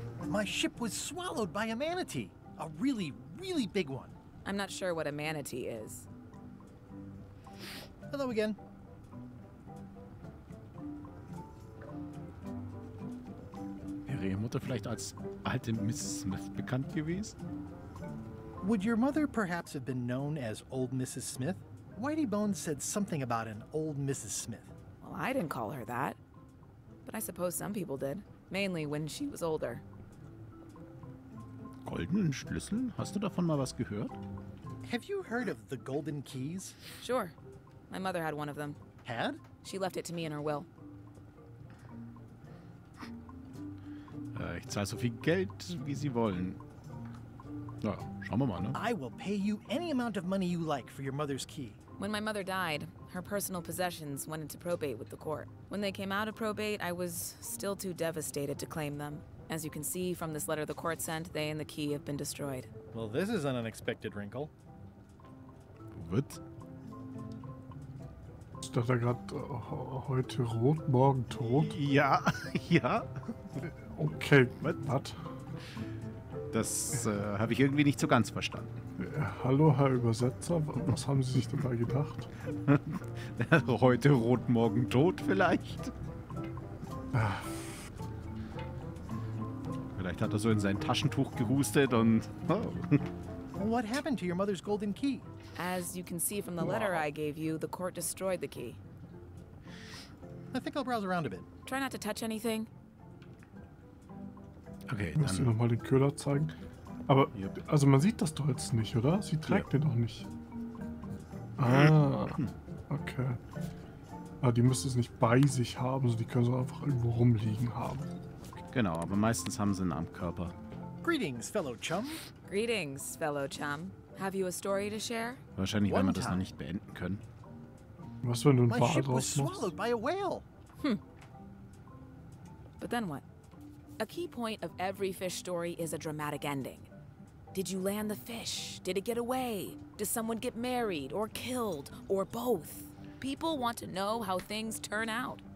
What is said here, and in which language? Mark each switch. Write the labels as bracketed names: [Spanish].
[English] My ship was swallowed by a manatee. A really, really big one. I'm not sure what a manatee is. Hello again. [German] Wäre Ihre Mutter vielleicht als alte Miss Smith bekannt gewesen? [English] Would your mother perhaps have been known as Old Mrs. Smith? Whitey Bones said something about an Old Mrs. Smith. Well, I didn't call her that. But I suppose some people did. Mainly when she was older. [German] Goldenen Schlüssel? Hast du davon mal was gehört? [English] Have you heard of the Golden Keys? Sure. My mother had one of them. Had? She left it to me in her will. [German] Ich zahle so viel Geld, wie sie wollen. Ja, schauen wir mal, ne? [English] I will pay you any amount of money you like for your mother's key. When my mother died, her personal possessions went into probate with the court. When they came out of probate, I was still too devastated to claim them. As you can see from this letter the court sent, they and the key have been destroyed. Well, this is an unexpected wrinkle. What? [German] Ist doch da gerade heute rot, morgen tot? Ja, ja. Okay, was? Das habe ich irgendwie nicht so ganz verstanden. Hallo, Herr Übersetzer, was haben Sie sich dabei gedacht? Heute rot, morgen tot vielleicht? Vielleicht hat er so in sein Taschentuch gehustet und... [English] Oh. What happened to your mother's golden key? As you can see from the letter I gave you, the court destroyed the key. I think I'll browse around a bit. Try not to touch anything. [German] Okay, dann... Muss ich nochmal den Köder zeigen? Aber, yep. Also man sieht das doch jetzt nicht, oder? Sie trägt den doch nicht. Ah, okay. Ah, die müsste es nicht bei sich haben, so die können sie einfach irgendwo rumliegen haben. Genau, aber meistens haben sie einen am Körper. [English] Greetings, fellow chum. Greetings, fellow chum. Have you a story to share? [German] Wahrscheinlich, weil wir das noch nicht beenden können. Was, wenn du ein Wal draus machst? [English] Swallowed by a whale. Hm. But then what? A key point of every fish story is a dramatic ending. Did you land the fish? Did it get away? Does someone get married or killed or both? People want to know how things turn out.